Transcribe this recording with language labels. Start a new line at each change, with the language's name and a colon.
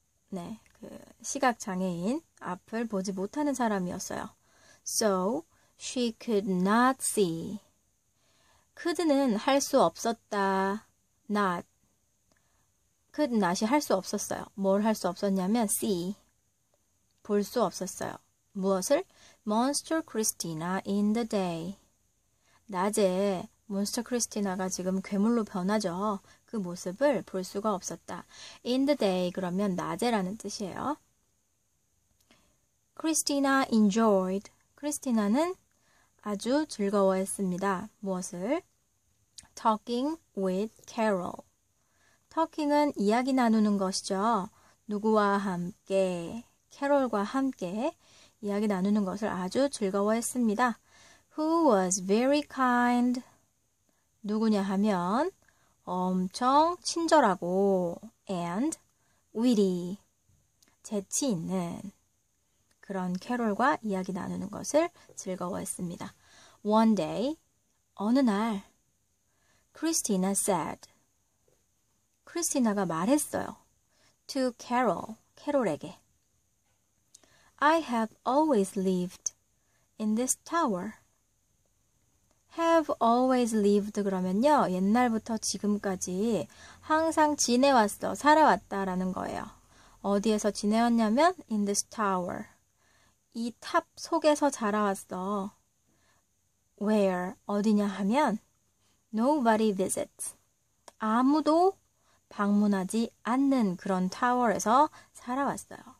Korean: 네, 시각 장애인, 앞을 보지 못하는 사람이었어요.
English: So she could not see.
Korean: could는 할수 없었다. not.
English: could not
Korean: 이 할수 없었어요. 뭘할수 없었냐면 see. 볼수 없었어요. 무엇을?
English: Monster Christina in the day.
Korean: 낮에 Monster Christina가 지금 괴물로 변하죠. 그 모습을 볼 수가 없었다.
English: In the day
Korean: 그러면 낮에라는 뜻이에요.
English: Christina enjoyed.
Korean: Christina는 아주 즐거워했습니다. 무엇을?
English: Talking with Carol.
Korean: Talking은 이야기 나누는 것이죠. 누구와 함께? 캐롤과 함께 이야기 나누는 것을 아주 즐거워했습니다.
English: Who was very kind?
Korean: 누구냐 하면 엄청 친절하고
English: and witty,
Korean: 재치 있는 그런 캐롤과 이야기 나누는 것을 즐거워했습니다.
English: One day,
Korean: 어느 날,
English: Christina said,
Korean: 크리스티나가 말했어요.
English: To Carol,
Korean: 캐롤에게.
English: I have always lived in this tower. Have always lived
Korean: 그러면요. 옛날부터 지금까지 항상 지내왔어. 살아왔다라는 거예요. 어디에서 지내왔냐면
English: in this tower.
Korean: 이탑 속에서 자라왔어.
English: Where
Korean: 어디냐 하면
English: nobody visits.
Korean: 아무도 방문하지 않는 그런 타워에서 살아왔어요.